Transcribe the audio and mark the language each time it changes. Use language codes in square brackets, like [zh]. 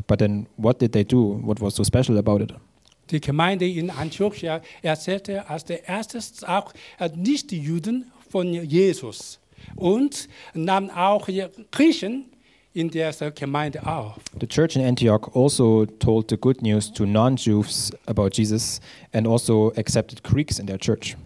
[en] But then, what did they do? What was so special about it? [de] Die Gemeinde in Antiochia erzählte als der erstes auch nicht die Juden von Jesus und nahm auch Griechen in dieser Gemeinde auf. [en] The church in Antioch also told the good news to non-Jews about Jesus and also accepted Greeks in their church.